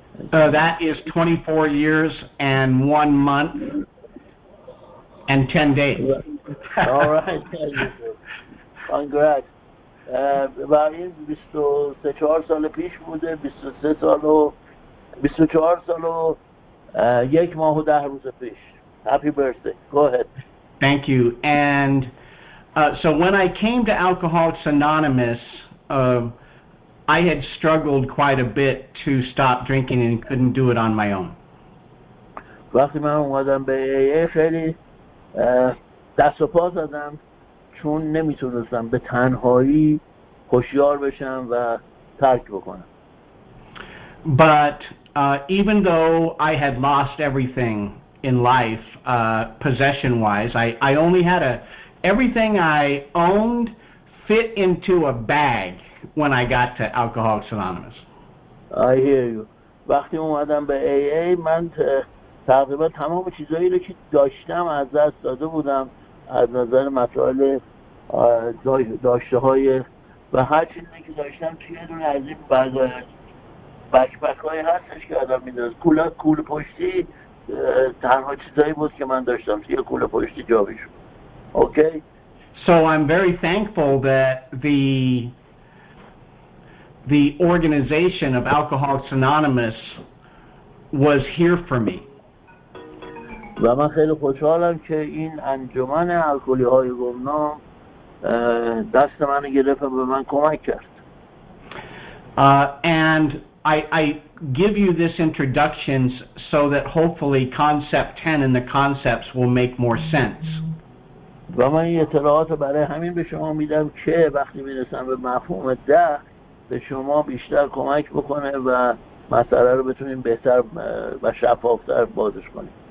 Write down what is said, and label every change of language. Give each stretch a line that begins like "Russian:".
English: That is 24 years and 1 month and 10 days. All right. Congrats.
Persian: برای 24 سال پیش بوده 23 سال و 24 سال و یک ماه و 10 روز پیش.
English: Happy birthday. Go ahead. Thank you. And so when I came to Alcoholics Anonymous, I had struggled quite a bit to stop drinking and couldn't do it on my own.
Persian: وقتی من اومدم به AA خیلی دست و پا زدم چون نمیتونستم به تنهایی هوشیار بشم و ترک بکنم.
English: But even though I had lost everything in life, possession wise, I only had everything I owned fit into a bag when I got to Alcoholics Anonymous. I hear you.
Persian: وقتی اومدم به AA من تقریبا تمام چیزایی رو که داشتم از دست داده بودم از نظر مسائل داشته های و هر چیزی که داشتم توی یه دونه از این بکپک های هستش که آدم میدازد کوله پشتی تنها چیزایی بود که من داشتم توی کوله پشتی جا بیشم.
English: Okay. So I'm very thankful that the organization of Alcoholics Anonymous was here for me.
Persian: و من خیلی خوشحالم که این انجمن الکلی‌های گمنام دست منو گرفت و به من کمک کرد.
English: And I give you this introduction so that hopefully concept 10 and the concepts will make more sense.
Persian: و من این اطلاعات رو برای همین به شما میدم که وقتی میرسم به مفهوم 10 به شما بیشتر کمک بکنه و مسئله رو بتونیم بهتر و شفافتر بازش کنیم.